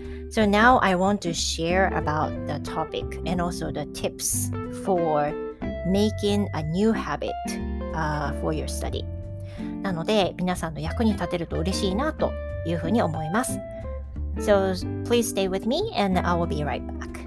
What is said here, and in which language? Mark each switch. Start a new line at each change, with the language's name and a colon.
English: So now I want to share about the topic and also the tips for making a new habit for your study.
Japanese: なので皆さんの役に立てると嬉しいなというふうに思います。
English: So please stay with me and I will be right back.